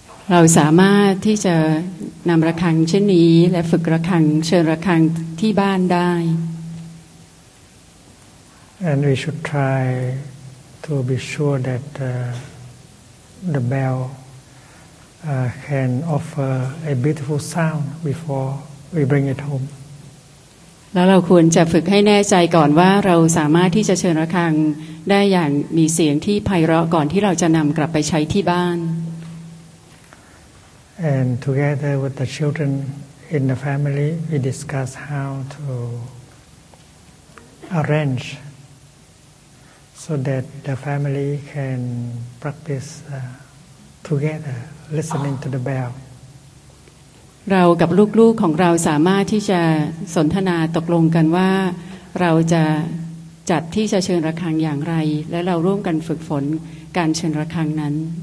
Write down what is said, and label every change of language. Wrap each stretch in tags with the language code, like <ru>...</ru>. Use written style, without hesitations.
<th>เราสามารถที่จะนำระฆังเช่นนี้และฝึกระฆังเชิญระฆังที่บ้านได้</th> <en>and we should try to be sure that the bell can offer a beautiful sound before we bring it home</en> <th>แล้วเราควรจะฝึกให้แน่ใจก่อนว่าเราสามารถที่จะเชิญระฆังได้อย่างมีเสียงที่ไพเราะก่อนที่เราจะนำกลับไปใช้ที่บ้าน</th> <en>And together with the children in the family we discuss how to arrange so that the family can practice together listening to the bell</en> <th>เรากับลูกๆของเราสามารถที่จะสนทนาตกลงกันว่าเราจะจัดที่จะเชิญระฆังอย่างไรและเราร่วมกันฝึกฝนการเชิญระฆังนั้น</th>